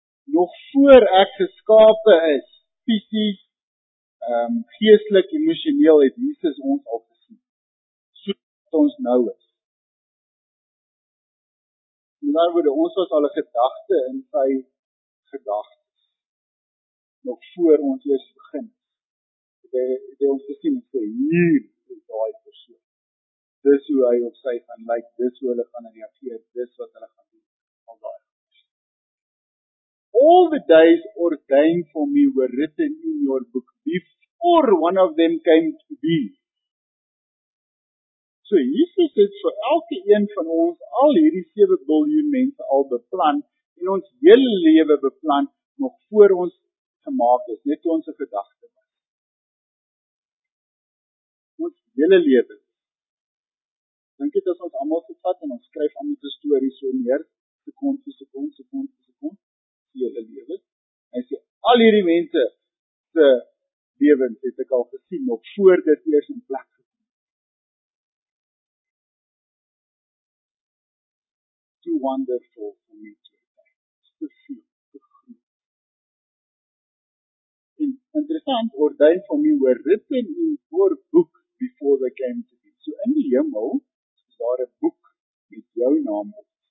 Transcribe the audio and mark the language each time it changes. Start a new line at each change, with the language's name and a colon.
Afrikaans: Nog voor ek geskape is, fisies, geestelik, emotioneel, het Jesus ons al gesien. So dat ons nou is. En daar word ons was al een gedachte in sy gedachte. Nog voor ons eerst begin. Het hy ons gesien en sê, hier is daai persoon. Dis hoe hy op sy gaan lyk, dis hoe hulle gaan reageer, dis wat hulle gaan doen. Al daai
English: all the days ordained for me were written in your book before one of them came to be.
Afrikaans: So Jesus het vir elke een van ons al hierdie 7 biljoen mense al beplan en ons hele lewe beplan nog voor ons gemaak is, net toe ons 'n gedagte was. Ons hele lewe. Dink dit as ons almal gevat en ons skryf al die stories so neer, sekond vir sekond, sekond vir sekond, die hele lewe. En sê al hierdie mense se lewens het ek al gesien nog voor dit eers in plek
English: too wonderful for me to attend.
Afrikaans: Te veel, te groot. En interessant,
English: ordained for me were written in your book before they came to be.
Afrikaans: So in die hemel is daar een boek met jou naam op.